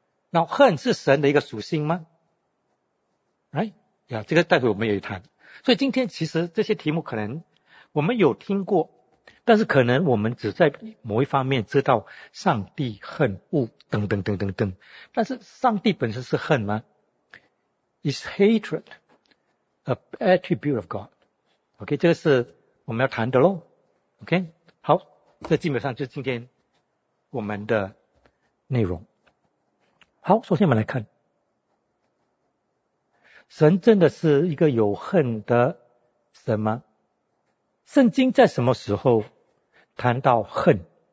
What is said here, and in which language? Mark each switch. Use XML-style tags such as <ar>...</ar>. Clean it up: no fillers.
<zh>那恨是神的一个属性吗？</zh> <en>Right?</en> <zh>这个待会我们也谈。所以今天其实这些题目可能我们有听过，但是可能我们只在某一方面知道上帝恨恶等等等等等。但是上帝本身是恨吗？</zh> <en>Is hatred an attribute of God?OK?</en> <zh>这个是我们要谈的咯。</zh> <en>OK?</en> <zh>好。这基本上就是今天我们的内容。好，首先我们来看，神真的是一个有恨的神吗？圣经在什么时候谈到恨？</zh>